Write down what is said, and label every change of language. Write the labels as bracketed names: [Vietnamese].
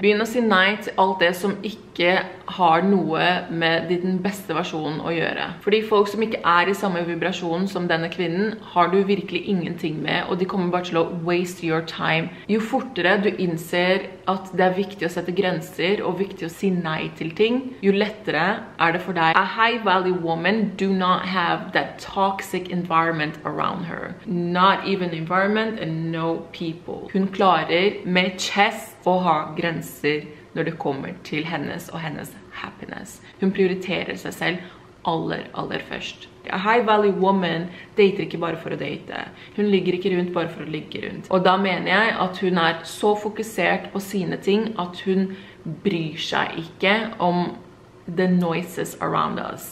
[Norwegian] Begynn å si nei til alt det som ikke har noe med din beste versjon å gjøre. Fordi folk som ikke er i samme vibrasjon som denne kvinnen, har du virkelig ingenting med, og de kommer bare til å [English] waste your time. [Norwegian] Jo fortere du innser at det er viktig å sette grenser, og viktig å si nei til ting, jo lettere er det for deg. [English] A high value woman do not have that toxic environment around her. Not even environment and no people. [Norwegian] Hun klarer med chest å ha grenser når det kommer til hennes og hennes happiness. Hun prioriterer seg selv aller, aller først. [English] A high value woman [Norwegian] dater ikke bare for å date. Hun ligger ikke rundt bare for å ligge rundt. Og da mener jeg at hun er så fokusert på sine ting at hun bryr seg ikke om [English] the noises around us.